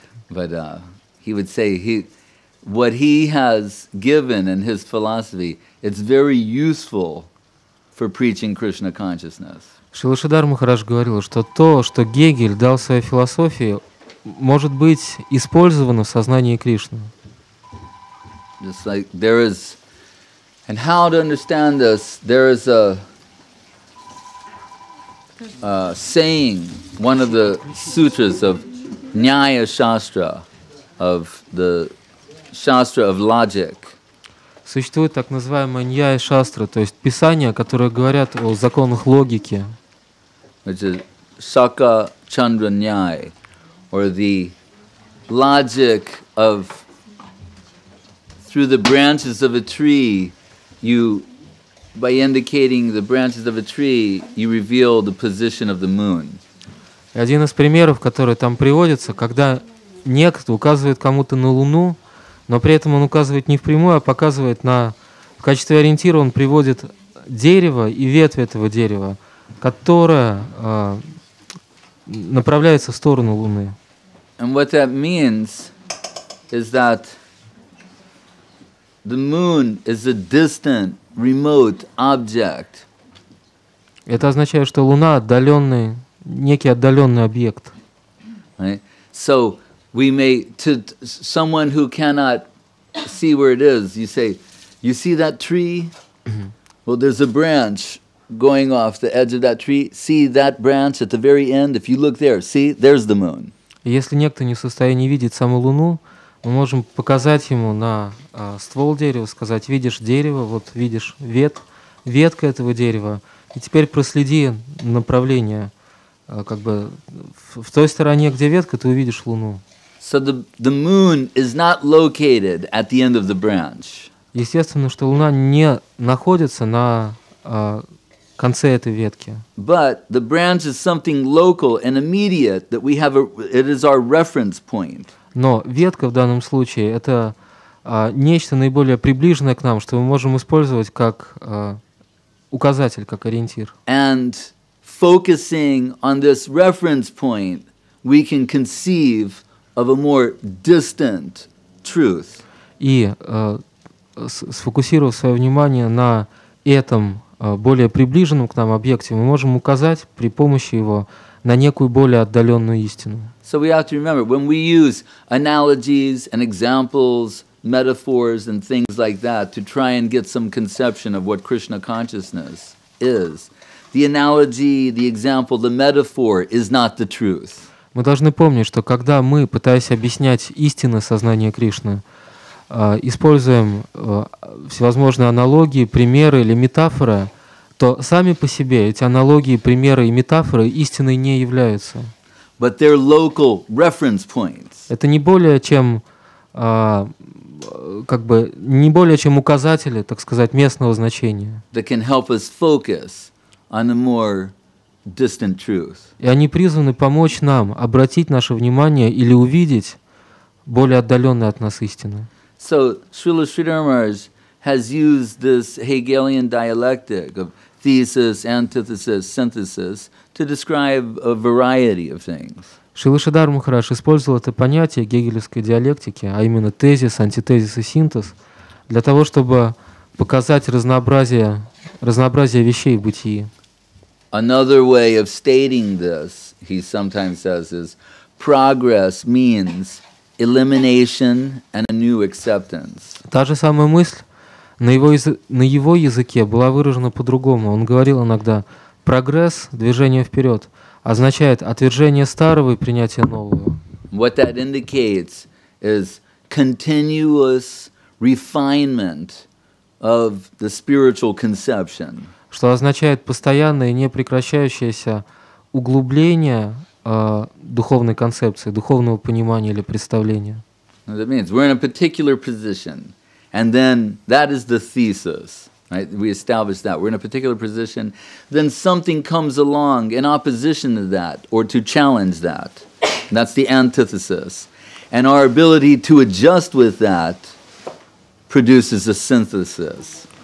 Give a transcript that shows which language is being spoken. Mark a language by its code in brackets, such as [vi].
[en] But he would say he, what he has given in his philosophy, it's very useful for preaching Krishna consciousness. [ru] Шрила Шридхар Махарадж говорил, что то, что Гегель дал своей философии, может быть использовано в сознании Кришны. [en] Just like there is, and how to understand this, there is a saying, one of the sutras of Nyaya Shastra, of the Shastra of Logic. [ru] Существует так называемая Nyaya Shastra, то есть писания, которые говорят о законах логики. [en] Which is Shaka Chandra Nyaya, or the logic of through the branches of a tree, you, by indicating the branches of a tree, you reveal the position of the moon. [ru] Один из примеров, который там приводится, когда некто указывает кому-то на Луну, но при этом он указывает не впрямую, а показывает на, в качестве ориентира он приводит дерево и ветви этого дерева, которая направляется в сторону Луны. [en] And what that means is that the moon is a distant, remote object. [ru] Это означает, что Луна отдаленный, некий отдаленный объект. [en] Right? So we may to someone who cannot see where it is, you say, you see that tree? Well, there's a branch going off the edge of that tree, see that branch at the very end, if you look there, see, there's the moon. [ru] Если некто не в состоянии видеть саму Луну, мы можем показать ему на ствол дерева, сказать, видишь дерево, вот видишь ветка этого дерева, и теперь проследи направление, как бы в той стороне, где ветка, ты увидишь Луну. [en] So the moon is not located at the end of the branch. [ru] Естественно, что Луна не находится на конце этой ветки. [en] But the branch is something local and immediate that we have a, it is our reference point. [ru] Но ветка в данном случае это нечто наиболее приближенное к нам, что мы можем использовать как указатель, как ориентир. [en] And focusing on this reference point, we can conceive of a more distant truth. [ru] И сфокусировав свое внимание на этом более приближенном к нам объекте, мы можем указать при помощи его на некую более отдаленную истину. [en] So we have to remember, when we use analogies and examples, metaphors and things like that to try and get some conception of what Krishna consciousness is, the analogy, the example, the metaphor is not the truth. [ru] Мы должны помнить, что когда мы, пытаясь объяснять истину сознания Кришны, используем всевозможные аналогии, примеры или метафоры, то сами по себе эти аналогии, примеры и метафоры истиной не являются. [en] But they're local reference points. [ru] Это не более чем, как бы, не более чем указатели, так сказать, местного значения. [en] That can help us focus on a more distant truth. [ru] И они призваны помочь нам обратить наше внимание или увидеть более отдаленные от нас истины. [en] So Srila Sridhar Maharaj has used this Hegelian dialectic of thesis, antithesis, synthesis to describe a variety of things. [ru] Шрила Шридхар Махарадж использовал это понятие гегелевской диалектики, а именно тезис, антитезис и синтез, для того, чтобы показать разнообразие вещей в бытии. [en] Another way of stating this, he sometimes says, is progress means elimination and a new acceptance. [ru] Та же самая мысль на его языке была выражена по-другому. Он говорил иногда: прогресс, движение вперед, означает отвержение старого и принятие нового. [en] What that indicates is continuous refinement of the spiritual conception. [ru] Что означает постоянное и непрекращающееся углубление духовной концепции, духовного понимания или представления. [en] That means we're in a particular position, and then that is the thesis. Right? We establish that we're in a particular position. Then something comes along in opposition to that, or to challenge that. That's the antithesis, and our ability to adjust with that produces a synthesis.